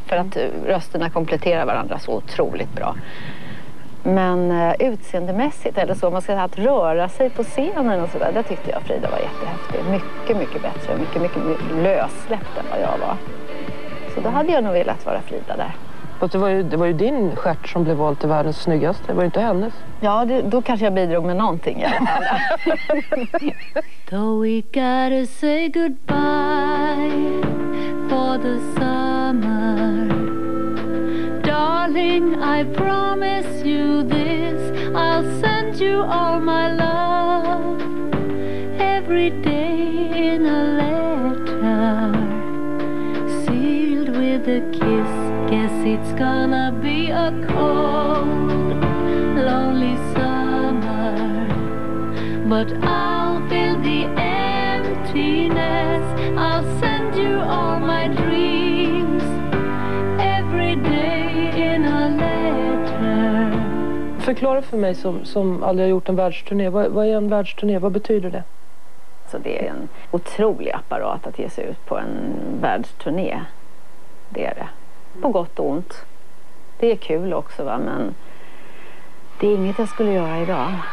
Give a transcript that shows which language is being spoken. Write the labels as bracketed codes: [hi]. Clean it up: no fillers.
[sv] För att rösterna kompletterar varandra så otroligt bra. Men utseendemässigt eller så, man ska säga att röra sig på scenen och sådär, det tyckte jag Frida var jättehäftig. Mycket, mycket bättre. Mycket, mycket lössläppt än vad jag var. Så då hade jag nog velat vara Frida där. Och det var ju din stjärt som blev vald till världens snyggaste. Det var inte hennes. Ja, då kanske jag bidrog med någonting. [en] Though we gotta say goodbye for the summer, darling, I promise you this, I'll send you all my love every day in a letter sealed with a kiss. Guess it's gonna be a cold, lonely summer, but I'll fill the emptiness. I'll send you all my dreams every day in a letter. [sv] Förklara för mig som aldrig har gjort en världsturné. Vad är en världsturné? Vad betyder det? Så det är en otrolig apparat att ge sig ut på en världsturné. Det är det. På gott och ont. Det är kul också, va? Men det är inget jag skulle göra idag.